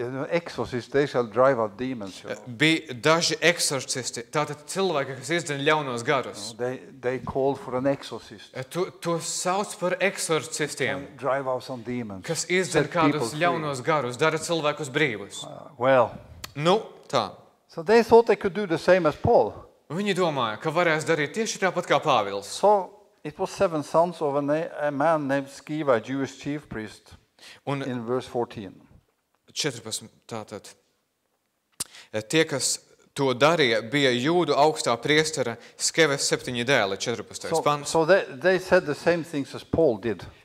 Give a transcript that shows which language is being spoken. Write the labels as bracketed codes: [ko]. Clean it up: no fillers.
[en] Exorcists, they shall drive out demons. [lv] Bija daži eksorcisti, tātad cilvēki, kas izdzen ļaunos garus. [en] No, they called for an exorcist. [lv] Tu sauc par eksorcistiem, [en] drive out some demons, [lv] kas izdzen kādus ļaunos garus, dara cilvēkus brīvus. [en] Well, [lv] nu, tā. [en] So they thought they could do the same as Paul. [lv] Viņi domāja, ka varēs darīt tieši tāpat kā Pāvils. [en] So it was seven sons of a man named Sceva, a Jewish chief priest. Un in verse 14. [lv] 14. Tātad. Tie, kas to darīja, bija jūdu augstā priestera Skeves septiņi dēli, 14. Pants. [en] So they said the same things as Paul did.